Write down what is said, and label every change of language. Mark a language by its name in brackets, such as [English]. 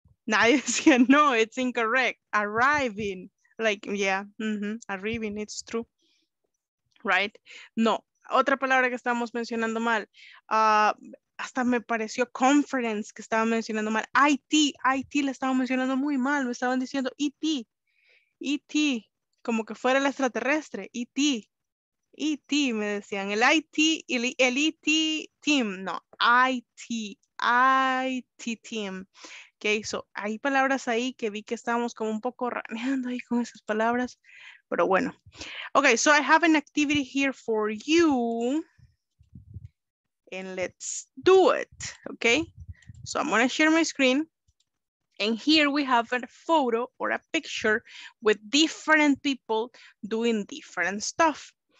[Spanish] Nadie decía, no, [English] it's incorrect, arriving, like, yeah, arriving, it's true, right? [Spanish] No. Otra palabra que estábamos mencionando mal, hasta me pareció conference que estaba mencionando mal, IT la estaba mencionando muy mal, me estaban diciendo ET, como que fuera el extraterrestre, ET, me decían, el IT, el ET team, no, IT team. ¿Qué hizo? Hay palabras ahí que vi que estábamos como un poco raneando ahí con esas palabras. Pero bueno. [English] Okay, so I have an activity here for you. And let's do it. Okay? So I'm going to share my screen. And here we have a photo or a picture with different people doing different stuff.